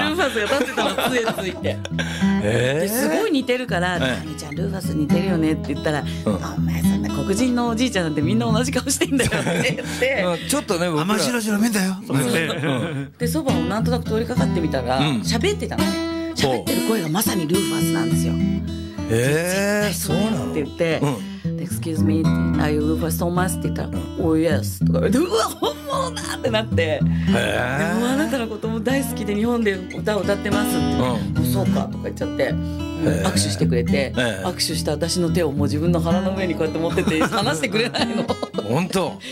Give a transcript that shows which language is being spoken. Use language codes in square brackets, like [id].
[ja] ルーファスが立ってたの、杖ついて、すごい似てるから、ダニちゃんルーファス似てるよねって言ったら、うん、お前そんな黒人のおじいちゃんなんてみんな同じ顔してんだよって言ってちょっとね僕ら甘しろしろ目だよで、そばをなんとなく通りかかってみたら喋、うん、ってたのね、喋ってる声がまさにルーファスなんですよ、そうなのって言って、うん、 [en] Excuse me, are you Rufus Thomas? [ja] って言ったら、うん、 [en] Oh yes! [ja] とか言って、うわ本物だってなって、でもあなたのことも大好きで日本で歌を歌ってますって、うん、そうかとか言っちゃって、うん、握手してくれて、握手した私の手をもう自分の腹の上にこうやって持ってて離してくれないの本当